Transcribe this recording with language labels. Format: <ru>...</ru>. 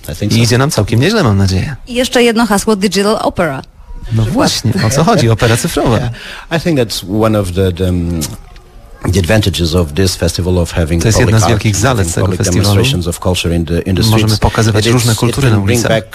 <pl>I idzie nam całkiem nieźle, mam nadzieję. I jeszcze jedno hasło, Digital Opera. No właśnie, o co chodzi, opera cyfrowa.</pl> <en>I think that's one of the advantages of this festival of having</en> <pl>to jest jedna z wielkich zalet tego festiwalu. Możemy pokazywać różne kultury na ulicach.</pl>